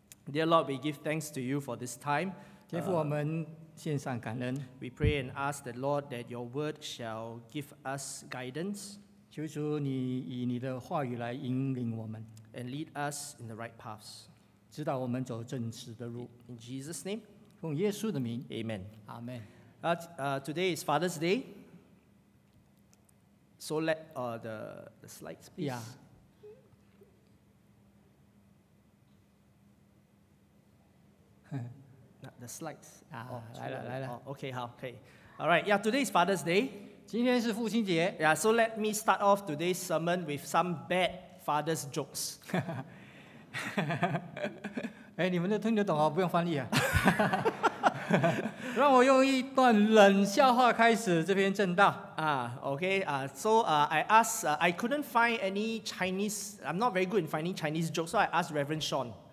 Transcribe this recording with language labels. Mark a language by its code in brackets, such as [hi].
[en] Dear Lord, we give thanks to you for this time. [zh] 天父，我们献上感恩。 [en] We pray and ask the Lord that your word shall give us guidance. [zh] 求主你以你的话语来引领我们。 [en] And lead us in the right paths. [zh] 指导我们走正直的路。 [en] In Jesus' name. [zh] 奉耶稣的名。 [en] Amen. Amen. Today is Father's Day. So let the slides, please. Yeah. The slides. Oh, okay, how? Okay. All right. Yeah, today is Father's Day. [zh] 今天是父亲节。 [en] Yeah, so let me start off today's sermon with some bad father's jokes. [zh] 哎，你们都听得懂哦，不用翻译啊。让我用一段冷笑话开始这篇正道。 [en] I asked, I couldn't find any Chinese, I'm not very good in finding Chinese jokes, so I asked Reverend Sean.